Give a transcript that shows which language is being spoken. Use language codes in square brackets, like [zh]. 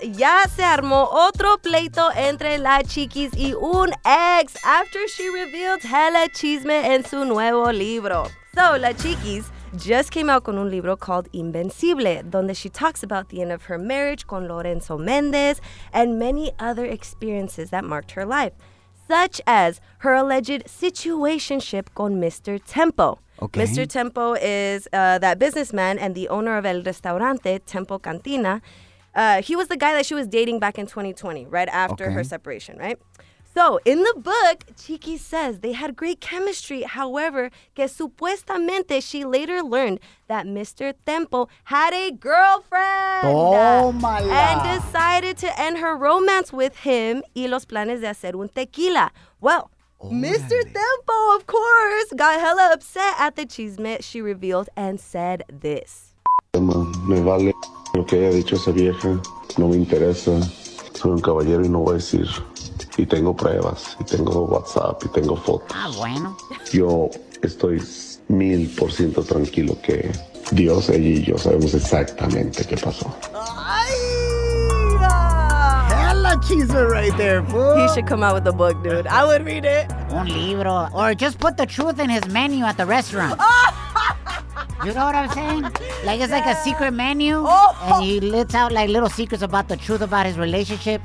[es] Ya se armó otro pleito entre la chiquis y un ex [en] after she revealed hella [es] chisme en su nuevo libro. [en] So, la chiquis just came out [es] con un libro [en] called Invencible, donde she talks about the end of her marriage con Lorenzo Mendez and many other experiences that marked her life, such as her alleged situationship con Mr. Tempo. Okay. Mr. Tempo is that businessman and the owner of El Restaurante, Tempo Cantina. He was the guy that she was dating back in 2020, right after her separation, right? So, in the book, Chiqui says they had great chemistry. However, [es] que supuestamente [en] she later learned that Mr. Temple had a girlfriend. And decided to end her romance with him [es] y los planes de hacer un tequila. [en] Well, Mr. Temple, of course, got hella upset at the chisme she revealed and said this. [es] Me vale lo que haya dicho esa vieja. No me interesa. Soy un caballero y no voy a decir. Y tengo pruebas, y tengo WhatsApp, y tengo fotos. Ah, bueno. Yo estoy 1000% tranquilo que Dios, ella y yo sabemos exactamente qué pasó. [en] ¡Ay! Hella cheeser right there, fool. He should come out with a book, dude. I would read it. [es] Un libro. [en] Or just put the truth in his menu at the restaurant. You know what I'm saying? Like, it's like a secret menu. Oh. And he lets out, like, little secrets about the truth about his relationship.